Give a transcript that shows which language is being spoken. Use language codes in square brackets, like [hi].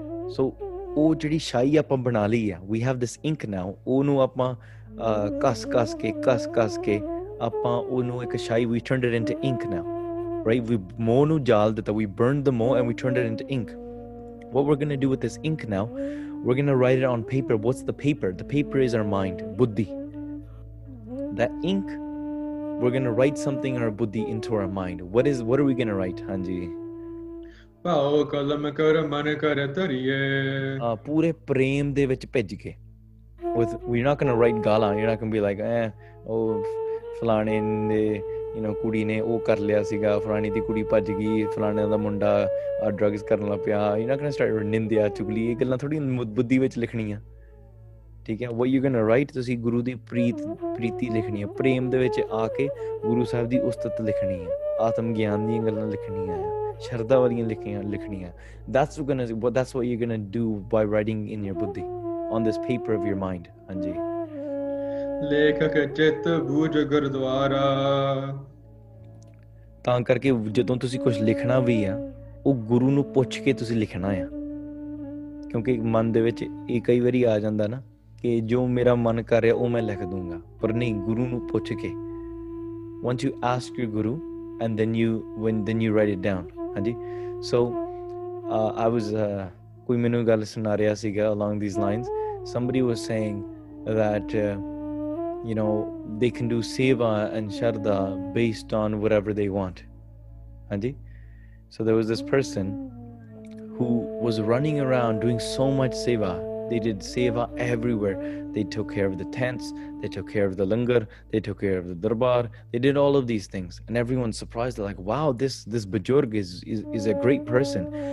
[pa] ਸੋ ਉਹ ਜਿਹੜੀ ਸ਼ਾਹੀ ਆਪਾਂ ਬਣਾ ਲਈ ਹੈ, [en] we have this ink now, [pa] ਉਹਨੂੰ ਆਪਾਂ ਕੱਸ ਕੱਸ ਕੇ ਆਪਾਂ ਉਹਨੂੰ ਇੱਕ ਸ਼ਾਹੀ, [en] We turned it into ink now, right? ਵੀ [pa] ਮੋਹ ਨੂੰ ਜਾਲ ਦਿੱਤਾ, [en] ਵੀ burn the ਮੋਹ and we turned it into ink. What we're going to do with this ink now, we're going to write it on paper. What's the paper? The paper is our mind, buddhi. That ink, we're going to write something in our buddhi into our mind. What are we going to write, Hanji? [pa] Pao kalam kar man kar tariye. Pure prem de vich bhej ke. [en] We're not going to write gala. You're not going to be like, [pa] falane ne, [en] you know, [pa] kudi ne oh kar liya siga, falani di kudi bhej gi, falane da munda drugs ਕਰਨ ਲੱਗ ਪਿਆ. You ਨਾ ਕਹਿੰਦੇ start ਨਿੰਦਿਆ ਚੁਗਲੀ, ਇਹ ਗੱਲਾਂ ਥੋੜ੍ਹੀਆਂ ਬੁੱਧੀ ਵਿੱਚ ਲਿਖਣੀਆਂ. ਠੀਕ ਹੈ, [en] what you can write, [pa] ਤੁਸੀਂ ਗੁਰੂ ਦੀ ਪ੍ਰੀਤੀ ਲਿਖਣੀ ਹੈ, ਪ੍ਰੇਮ ਦੇ ਵਿੱਚ ਆ ਕੇ ਗੁਰੂ ਸਾਹਿਬ ਦੀ ਉਸਤਤ ਲਿਖਣੀ ਹੈ, ਆਤਮ ਗਿਆਨ ਦੀਆਂ ਗੱਲਾਂ ਲਿਖਣੀਆਂ, ਸ਼ਰਧਾ ਵਾਲੀਆਂ ਲਿਖਣੀਆਂ. [en] ਦੱਸ what you can do by writing in your buddhi on this paper of your mind. ਹਾਂਜੀ. [pa] ਲੇਖਕ ਚਿੱਤ ਬੂਝ ਗੁਰਦੁਆਰਾ. ਤਾਂ ਕਰਕੇ ਜਦੋਂ ਤੁਸੀਂ ਕੁਛ ਲਿਖਣਾ ਵੀ ਆ, ਉਹ ਗੁਰੂ ਨੂੰ ਪੁੱਛ ਕੇ ਤੁਸੀਂ ਲਿਖਣਾ ਆ. ਕਿਉਂਕਿ ਮਨ ਦੇ ਵਿੱਚ ਇਹ ਕਈ ਵਾਰੀ ਆ ਜਾਂਦਾ ਨਾ ਕਿ ਜੋ ਮੇਰਾ ਮਨ ਕਰ ਰਿਹਾ ਉਹ ਮੈਂ ਲਿਖ ਦੂੰਗਾ, ਪਰ ਨਹੀਂ, ਗੁਰੂ ਨੂੰ ਪੁੱਛ ਕੇ. [en] Want you ask your guru and then you one then you write it down. ਹਾਂਜੀ. So I was, [pa] ਕੋਈ ਮੈਨੂੰ ਗੱਲ ਸੁਣਾ ਰਿਹਾ ਸੀਗਾ [en] Along these lines, somebody was saying that you know they can do seva and shraddha based on whatever they want. ਹਾਂਜੀ. So there was this person who was running around doing so much seva. They did seva everywhere. They took care of the tents, they took care of the langar, they took care of the darbar, they did all of these things. And everyone's surprised, they're like, wow, this bujurg is a great person.